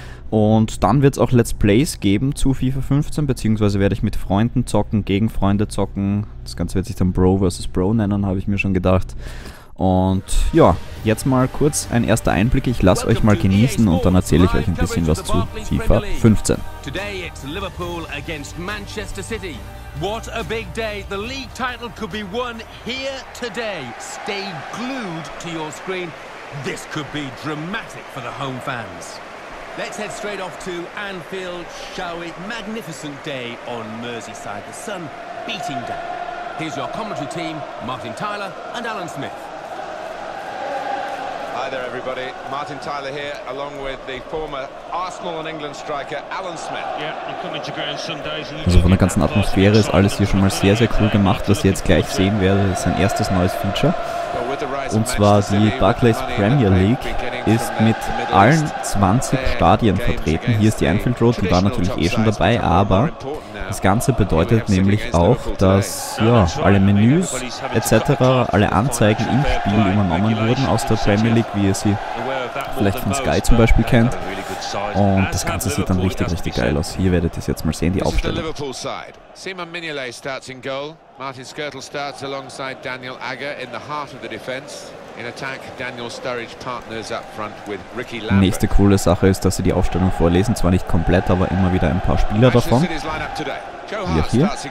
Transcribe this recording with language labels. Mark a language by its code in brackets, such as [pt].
[de] Und dann wird es auch Let's Plays geben zu FIFA 15, beziehungsweise werde ich mit Freunden zocken, gegen Freunde zocken. Das Ganze wird sich dann Bro vs. Bro nennen, habe ich mir schon gedacht. Und ja, jetzt mal kurz ein erster Einblick. Ich lasse euch mal genießen und dann erzähle ich euch ein bisschen was zu FIFA 15. [en] Today it's Liverpool against Manchester City. What a big day. The league title could be won here today. Stay glued to your screen. This could be dramatic for the home fans. Let's head straight off to Anfield, shall we? Magnificent day on Merseyside, the sun beating down. Here's your commentary team, Martin Tyler and Alan Smith. Hi there, everybody. Martin Tyler here, along with the former Arsenal and England striker Alan Smith. [de] Also von der ganzen Atmosphäre ist alles hier schon mal sehr, sehr cool gemacht. Was ihr jetzt gleich sehen werdet, ist ein erstes neues Feature. Und zwar die Barclays Premier League ist mit allen 20 Stadien vertreten. Hier ist die Anfield Road, die war natürlich eh schon dabei, aber das Ganze bedeutet nämlich auch, dass alle Menüs etc., alle Anzeigen im Spiel übernommen wurden aus der Premier League, wie ihr sie vielleicht von Sky zum Beispiel kennt. Und das Ganze sieht dann richtig, richtig geil aus. Hier werdet ihr es jetzt mal sehen, die Aufstellung. [en] Simon Mignolet starts in goal. Martin Skrtel starts alongside Daniel Agger in the heart of the defense. In attack, Daniel Sturridge partners up front with Ricky Lambert. [de] Nächste coole Sache ist, dass sie die Aufstellung vorlesen. Zwar nicht komplett, aber immer wieder ein paar Spieler davon. Hier.